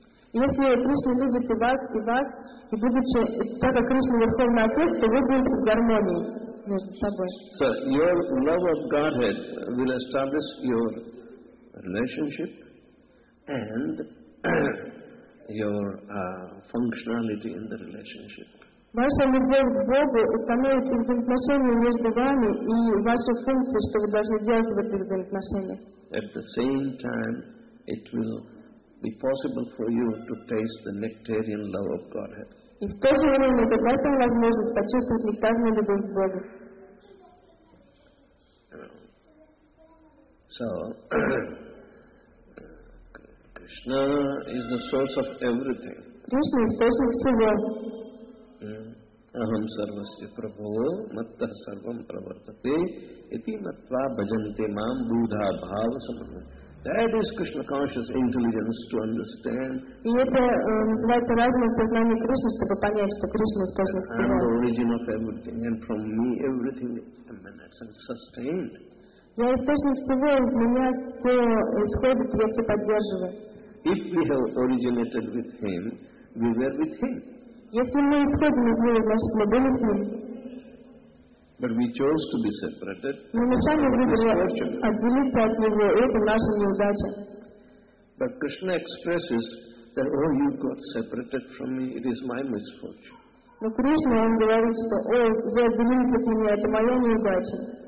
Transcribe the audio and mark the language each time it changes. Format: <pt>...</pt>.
<ru>Если Кришна любит вас и вас, и будучи так как Кришна Верховный Отец, то вы будете в гармонии между собой.</ru> <en>So your love of Godhead will establish your relationship and your functionality in the relationship.</en> <ru>Ваша любовь к Богу установит взаимоотношения между вами и ваши функции, что вы должны делать в этих взаимоотношениях.</ru> <en>At the same time, it will be possible for you to taste the nectarian love of Godhead.</en> <ru>И в то же время это даст вам возможность почувствовать нектарную любовь к Богу.</ru> <en>So, Krishna is the source of everything. Krishna is the source of everything.</en> <sa>Aham sarvasya prabho matta sarvam pravartate iti matva bhajante mam buddha bhava samadhi.</sa> <en>That is Krishna conscious intelligence to understand.</en> <ru>И это называется разное сознание Кришны, чтобы понять, что Кришна источник всего.</ru> <en>I am the origin of everything and from me everything emanates and sustained.</en> <ru>Я источник всего, из меня все исходит, я все поддерживаю.</ru> <en>If we have originated with Him, we were with Him.</en> <ru>Если мы исходим из него, значит мы были с ним.</ru> <en>But we chose to be separated.</en> <ru>Но мы сами выбрали отделиться от него, и это наша неудача.</ru> <en>But Krishna expresses that, oh, you got separated from me, it is my misfortune.</en> <ru>Но Кришна, Он говорит, что, о, вы отделились от меня, это моя неудача.</ru>